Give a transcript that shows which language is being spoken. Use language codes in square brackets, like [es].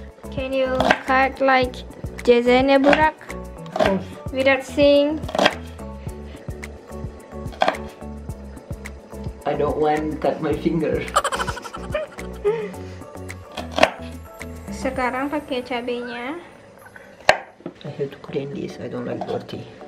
[en] Can you cut like Jezene Burak? Without seeing? I don't want to cut my finger. [id] Sekarang pakai cabenya. [en] I have to clean this, I don't like dirty.